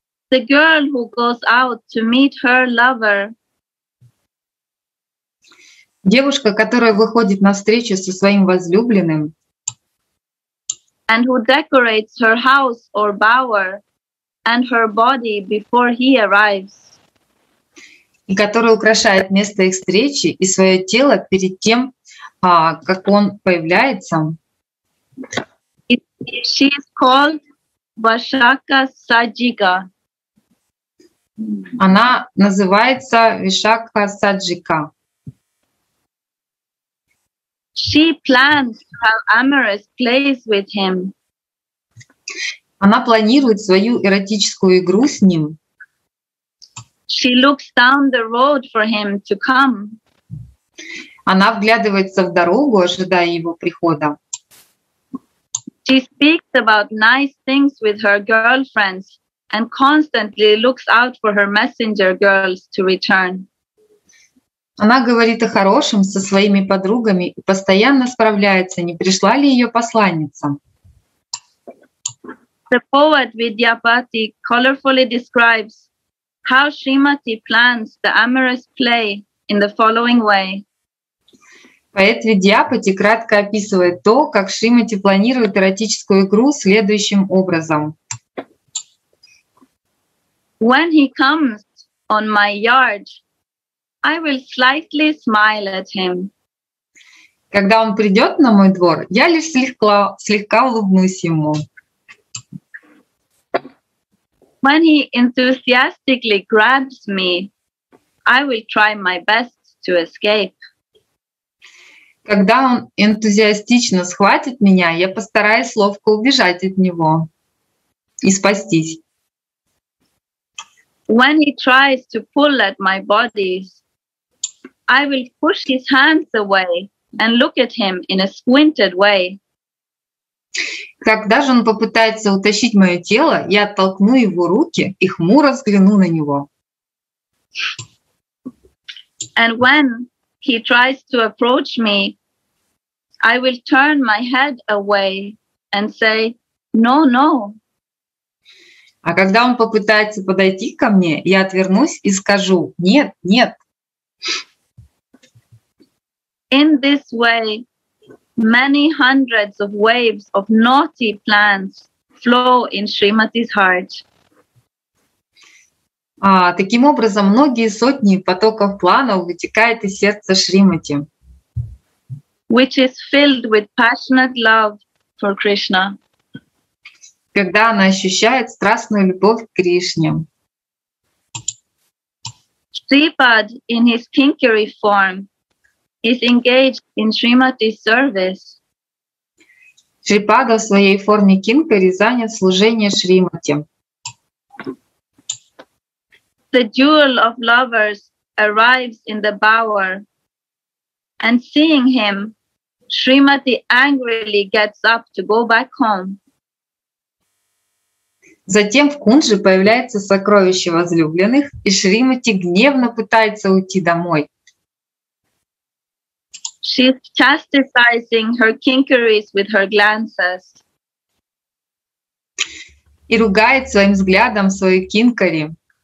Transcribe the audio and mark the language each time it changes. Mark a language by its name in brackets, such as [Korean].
[English] The girl who goes out to meet her lover. [Russian] Девушка, которая выходит на встречу со своим возлюбленным. [English] And who decorates her house or bower and her body before he arrives. [Russian] И которая украшает место их встречи и свое тело перед тем, как он появляется. [English] She is called Vashaka Sajika. [Russian] Она называется Вишакха Саджика. [English] She plans to have amorous plays with him. [Russian] Она планирует свою эротическую игру с ним. [English] She looks down the road for him to come. [Russian] Она вглядывается в дорогу, ожидая его прихода. [English] She speaks about nice things with her girlfriends and constantly looks out for her messenger girls to return. [Russian] Она говорит о хорошем со своими подругами и постоянно справляется, не пришла ли ее посланница. [English] The poet Vidyapati colorfully describes how Srimati plans the amorous play in the following way. [Russian] Поэт Видьяпати кратко описывает то, как Шримати планирует эротическую игру следующим образом. [English] When he comes on my yard, I will slightly smile at him. [Russian] Когда он придет на мой двор, я лишь слегка улыбнусь ему. [English] When he enthusiastically grabs me, I will try my best to escape. [Russian] Когда он энтузиастично схватит меня, я постараюсь ловко убежать от него и спастись. [English] When he tries to pull at my body, I will push his hands away and look at him in a squinted way. [Russian] Когда же он попытается утащить мое тело, я оттолкну его руки и хмуро взгляну на него. [English] And when he tries to approach me, I will turn my head away and say, no, no. [Russian] А когда он попытается подойти ко мне, я отвернусь и скажу, нет, нет. [English] In this way, many hundreds of waves of naughty plans flow in Srimati's heart. [Russian] Таким образом, многие сотни потоков планов вытекают из сердца Шримати, [English] which is filled with passionate love for Krishna. [Russian] Когда она ощущает страстную любовь к Кришне. [English] Shripad in his kinkari form is engaged in Srimati's service. [Russian] Шрипада в своей форме кинкари занят служение Шримати. [English] The duel of lovers arrives in the bower, and seeing him, Shrimati angrily gets up to go back home. [Russian] Затем в кундже появляется сокровище возлюбленных, и Шримати гневно пытается уйти домой. [English] She's chastising her kinkaris with her glances. [Russian] И ругает своим взглядом свою кинкари.